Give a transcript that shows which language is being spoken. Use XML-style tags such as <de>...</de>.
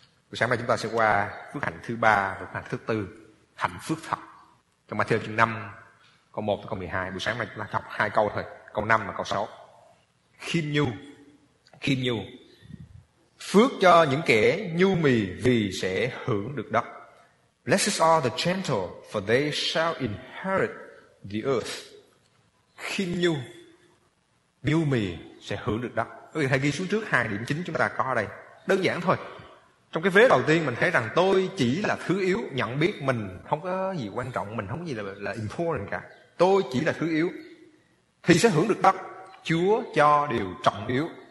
<vi>Buổi sáng nay chúng ta sẽ qua phước hạnh thứ 3 và phước hạnh thứ 4, hạnh phước thật, trong Matthew chương 5 câu 1 tới câu 12. Buổi sáng nay chúng ta học 2 câu thôi, câu 5 và câu 6. Khiêm nhu, khiêm nhu. Phước cho những kẻ nhu mì vì sẽ hưởng được đất.</vi> <en>Blessed are the gentle, for they shall inherit the earth.</en> <vi>Khiêm nhu, nhu mì sẽ hưởng được đất. Quý vị hãy ghi xuống trước 2 điểm chính chúng ta có ở đây. Đơn giản thôi. Trong cái vế đầu tiên mình thấy rằng tôi chỉ là thứ yếu, nhận biết mình không có gì quan trọng, mình không có gì là important cả. Tôi chỉ là thứ yếu thì sẽ hưởng được đất. Chúa cho điều trọng yếu.</vi>